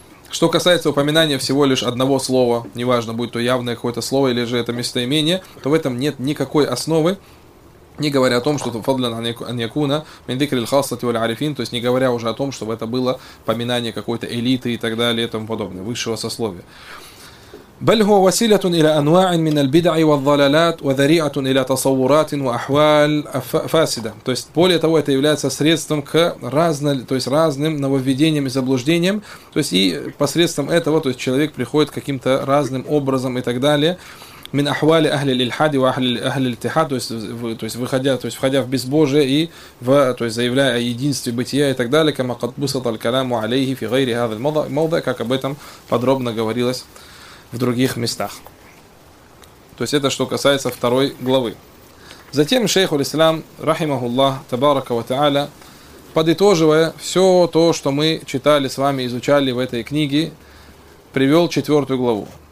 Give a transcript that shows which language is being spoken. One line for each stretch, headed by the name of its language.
Russian: Что касается упоминания всего лишь одного слова, неважно, будет то явное какое-то слово или же это местоимение, то в этом нет никакой основы, не говоря о том, что
Arabic: фадлан аньякуна мин дикри аль-хассати валь-арифин,
Russian: то есть не говоря уже о том, чтобы это было поминание какой-то элиты и так далее и тому подобное, высшего сословия.
Arabic: بل هو وسيلة إلى أنواع من البدع والضلالات وذريعة إلى تصورات وأحوال فاسدة.
Russian: То есть более того, это является средством к разным нововведениям и заблуждениям. То есть и посредством этого, то есть человек приходит к каким-то разным образом и так далее.
Arabic: من أحوال أهل الإلحاد وأهل أهل الاتحاد.
Russian: То есть входя в безбожие и в, то есть заявляя о единстве бытия и так далее.
Arabic: كما قد بسط الكلام عليه في غير هذا الموضع.
Russian: Как об этом подробно говорилось в других местах. То есть это что касается второй главы. Затем шейх аль-Ислам, рахимахуллах, табарака ва тааля, подытоживая все то, что мы читали с вами, изучали в этой книге, привел четвертую главу.